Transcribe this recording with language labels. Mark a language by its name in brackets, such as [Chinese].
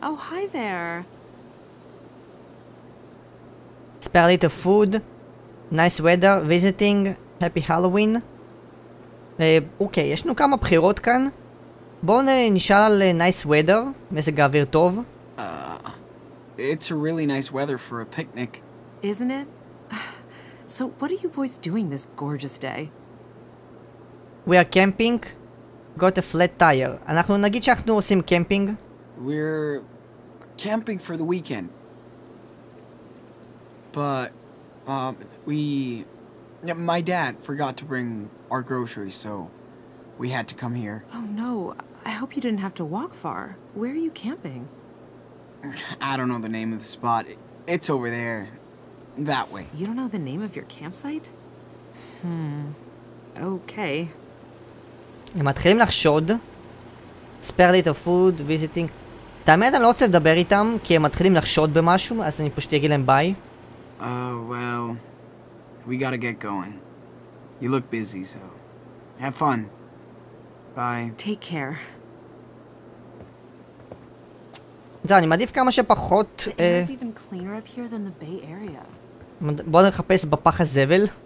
[English] Oh, hi there. Spare a little food. Nice weather, visiting. Happy Halloween. [Hebrew] אוקיי, יש לנו כמה בחירות כאן. בואו נשאל על [English] nice weather, [Hebrew] מזג האוויר טוב. [English] It's a really nice weather for a picnic. Isn't it? So what are you boys doing this gorgeous day? We are camping. Got a flat tire. [Hebrew] אנחנו נגיד שאנחנו עושים קמפינג. [English] We're camping for the weekend. But my dad forgot to bring our groceries, so we had to come here. Oh no. I hope you didn't have to walk far. Where are you camping? I don't know the name of the spot. It's over there. That way. You don't know the name of your campsite? Hmm. Okay. [Hebrew] הם מתחילים לחשוד. [English] Spare a little food, visiting. [Hebrew] תאמת, אני לא רוצה לדבר איתם, כי הם מתחילים לחשוד במשהו, אז אני פשוט אגיד להם ביי. [English] Well, we gotta get going. You look busy, so have fun. Bye. Take care. [Hebrew] זהו, אני מעדיף כמה שפחות... [English] The air is even cleaner up here than the Bay Area. [Hebrew] בוא נחפש בפח הזבל.